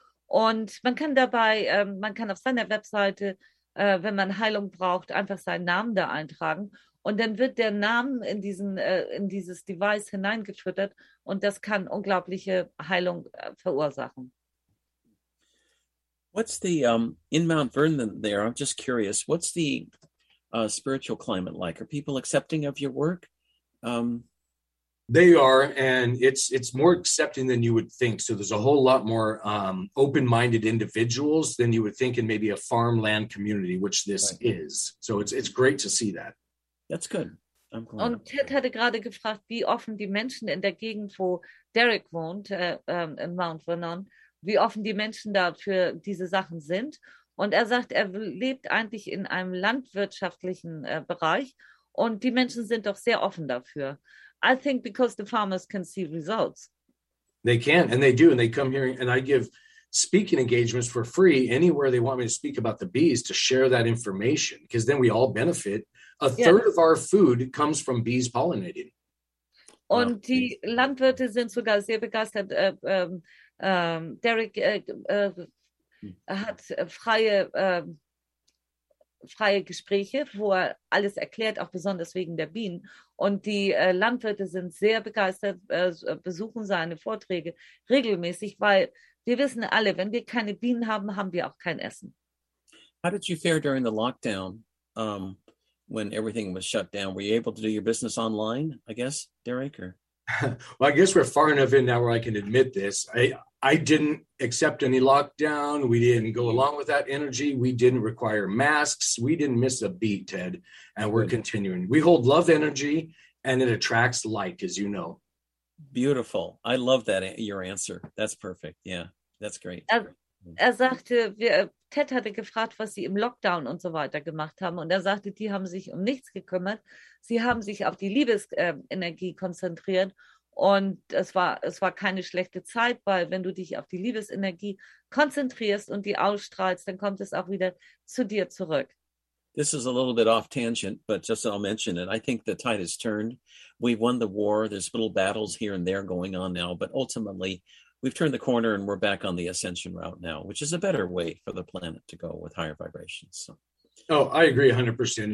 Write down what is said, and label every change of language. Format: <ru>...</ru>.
<de>Und man kann dabei, man kann auf seiner Webseite, wenn man Heilung braucht, einfach seinen Namen da eintragen. Und dann wird der Name in dieses Device hineingefüttert und das kann unglaubliche Heilung verursachen.</de> <en>What's the, in Mount Vernon there, I'm just curious, what's the spiritual climate like? Are people accepting of your work? They are, and it's more accepting than you would think. So there's a whole lot more open-minded individuals than you would think in maybe a farmland community, which this is. So it's great to see that. That's good. I'm glad.</en> <de>Und Ted hatte gerade gefragt, wie offen die Menschen in der Gegend, wo Derek wohnt, in Mount Vernon, wie offen die Menschen da für diese Sachen sind. Und er sagt, er lebt eigentlich in einem landwirtschaftlichen Bereich und die Menschen sind doch sehr offen dafür.</de> <en>I think because the farmers can see results. They can, and they do, and they come here, and I give speaking engagements for free anywhere they want me to speak about the bees to share that information, because then we all benefit. A third of our food comes from bees pollinating.</en> <de>Und wow. Die Landwirte sind sogar sehr begeistert. Derek hat freie Gespräche, wo er alles erklärt, auch besonders wegen der Bienen. Und die Landwirte sind sehr begeistert, besuchen seine Vorträge regelmäßig, weil wir wissen alle, wenn wir keine Bienen haben, haben wir auch kein Essen.</de> <en>How did you fare during the lockdown, when everything was shut down? Were you able to do your business online, I guess, Derek? Or? Well, I guess we're far enough in now where I can admit this. I didn't accept any lockdown. We didn't go along with that energy. We didn't require masks. We didn't miss a beat, Ted. And we're continuing. We hold love energy and it attracts like, as you know. Beautiful. I love that, your answer. That's perfect. Yeah, that's great.</en> <de>Er sagte, Ted hatte gefragt, was sie im Lockdown und so weiter gemacht haben. Und er sagte, die haben sich um nichts gekümmert. Sie haben sich auf die Liebesenergie konzentriert. Und es war keine schlechte Zeit, weil wenn du dich auf die Liebesenergie konzentrierst und die ausstrahlst, dann kommt es auch wieder zu dir zurück.</de> <en>This is a little bit off tangent, but just I'll mention it. I think the tide has turned. We've won the war. There's little battles here and there going on now. But ultimately, we've turned the corner and we're back on the ascension route now, which is a better way for the planet to go with higher vibrations. So. Oh, I agree 100%.</en>